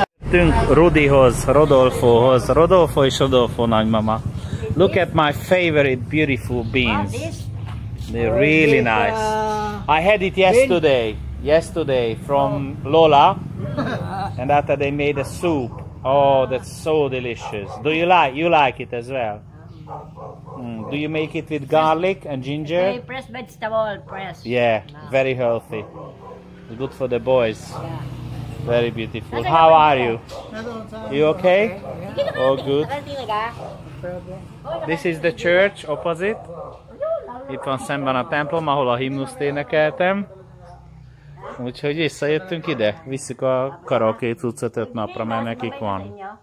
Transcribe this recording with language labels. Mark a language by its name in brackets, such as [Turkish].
[Hungarian] Tünk Rudihoz, Rodolfohoz, Rodolfo és Rodolfo nagymama. [English] Look at my favorite beautiful beans. They're really nice. I had it yesterday. Yesterday from Lola. And after they made a soup. Oh, that's so delicious. Do you like? You like it as well? Do you make it with garlic and ginger? They press vegetable press. Yeah, very healthy. It's good for the boys. Very beautiful. How are you? You okay? Oh, good. This is the church opposite. [Hungarian] Itt van szemben a templom, ahol a himnuszt énekeltem. Úgyhogy visszajöttünk ide. Visszük a karaoke cuccot 5 napra, mert nekik van.